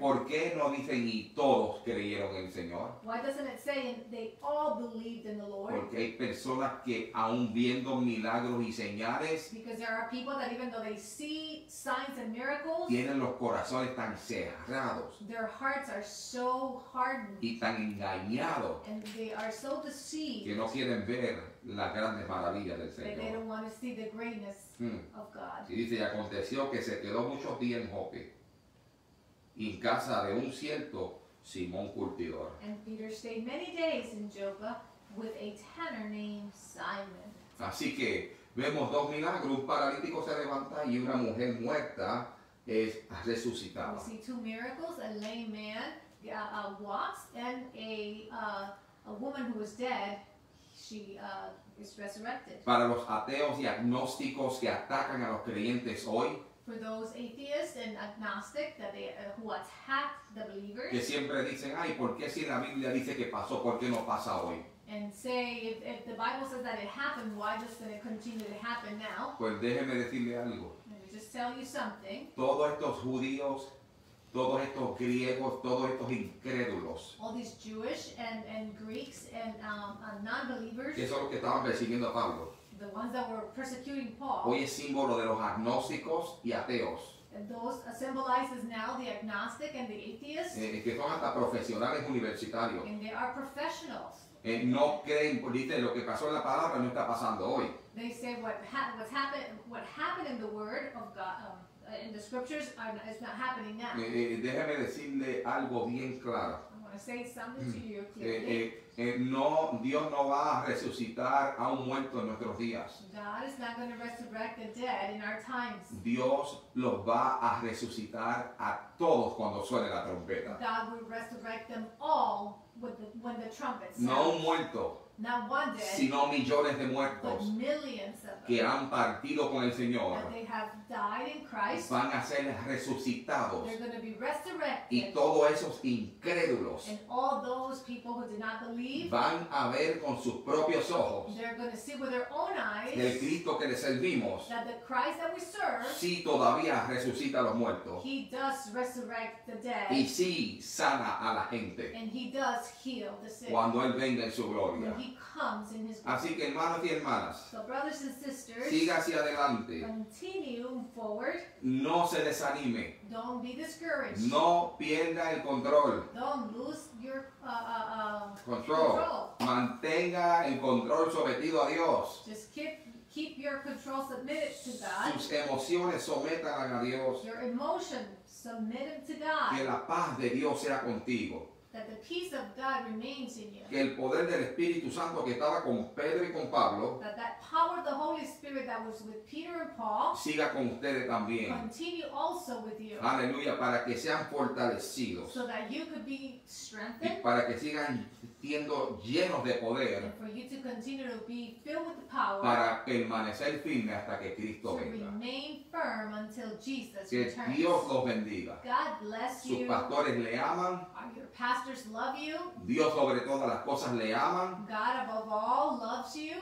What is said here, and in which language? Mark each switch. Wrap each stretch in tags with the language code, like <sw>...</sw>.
<es>¿Por qué no dicen y todos creyeron en el Señor?</es> <en>Why doesn't it say they all believed in the Lord?</en> <es>Porque hay personas que aún viendo milagros y señales.</es> <en>Because there are people that even though they see signs and miracles.</en> <es>Tienen los corazones tan cerrados.</es> <en>Their hearts are so hardened.</en> <es>Y tan engañados.</es> <en>And they are so deceived.</en> <es>Que no quieren ver las grandes maravillas del Señor.</es> <en>They don't want to see the greatness of God.</en> <es>Y dice, y aconteció que se quedó muchos días en Joppe, en casa de un cierto Simón Curtidor.</es> <en>And Peter stayed many days in Joppa with a tanner named Simon.</en> <es>Así que vemos dos milagros, un paralítico se levanta y una mujer muerta es resucitada.</es> <en>We see two miracles, a lame man walks and a woman who was dead. She is resurrected.</en> <es>Para los ateos y agnósticos que atacan a los creyentes hoy.</es> <en>For those atheists and agnostic that they who attack the believers.</en> <es>Que siempre dicen, ay, ¿por qué si la Biblia dice que pasó, por qué no pasa hoy?</es> <en>And say, if the Bible says that it happened, why doesn't it continue to happen now?</en> <es>Pues déjeme decirle algo.</es> <en>Let me just tell you something.</en> <es>Todos estos judíos, todos estos griegos, todos estos incrédulos.</es> <en>All these Jewish and Greeks and non-believers.</en> <es>Que son los que estaban persiguiendo a Pablo.</es> <en>The ones that were persecuting Paul.</en> <es>Hoy es símbolo de los agnósticos y ateos.</es> <en>And those symbolizes now the agnostic and the atheist.</en> <es>Que son hasta profesionales universitarios.</es> <en>And they are professionals.</en> <es>No creen, dice, lo que pasó en la palabra no está pasando hoy.</es> <en>They say what happened in the word of God. In the scriptures, it's not happening now.</en> <es>Déjeme decirle algo bien claro.</es> <en>I want to say something to you clearly.</en> <es>No, Dios no va a resucitar a un muerto en nuestros días.</es> <en>God is not going to resurrect the dead in our times.</en> <es>Dios los va a resucitar a todos cuando suene la trompeta.</es> <en>God will resurrect them all when the trumpet sounds.</en> <es>No un muerto.</es> <en>Not one dead,</en> <es>sino millones de muertos que han partido con el Señor,</es> <en>they have died in Christ,</en> <es>van a ser resucitados.</es> <en>They're going to be resurrected,</en> <es>y todos esos incrédulos,</es> <en>and all those people who did not believe,</en> <es>van a ver con sus propios ojos,</es> <en>they're going to see with their own eyes,</en> <es>que el Cristo que les servimos,</es> <en>that the Christ that we serve,</en> <es>sí todavía resucita a los muertos,</es> <en>he does resurrect the dead,</en> <es>y sí sana a la gente,</es> <en>and he does heal the sick,</en> <es>cuando Él venga en su gloria.</es> <en>He comes in his</en> <es>glory. Así que hermanos y hermanas,</es> <en>so brothers and sisters,</en> <es>siga hacia adelante.</es> <en>Continue forward.</en> <es>No se desanime.</es> <en>Don't be discouraged.</en> <es>No pierda el control.</es> <en>Don't lose your</en> <es>control. Mantenga el control sometido a Dios.</es> <en>Just keep your control submitted to God.</en> <es>Sus emociones sometan a Dios.</es> <en>Your emotions submit to God.</en> <es>Que la paz de Dios sea contigo.</es> <en>that the peace of God remains in you.</en> <es>Que el poder del Espíritu Santo que estaba con Pedro y con Pablo,</es> <en>that that power of the Holy Spirit that was with Peter and Paul,</en> <es>siga con ustedes también.</es> <en>Continue also with you.</en> <es>Aleluya, para que sean fortalecidos.</es> <en>So that you could be strengthened.</en> <es>Y para que sigan siendo llenos de poder.</es> <en>And for you to continue to be filled with the power.</en> <es>Para permanecer firme hasta que Cristo venga.</es> <en>To remain firm until Jesus</en> <es>que</es> <en>returns.</en> <es>Que Dios los bendiga.</es> <en>God bless you.</en> <es>Sus pastores le aman.</es> <en>Pastors love you.</en> <es>Dios sobre todas las cosas le aman.</es> <en>God above all loves you.</en>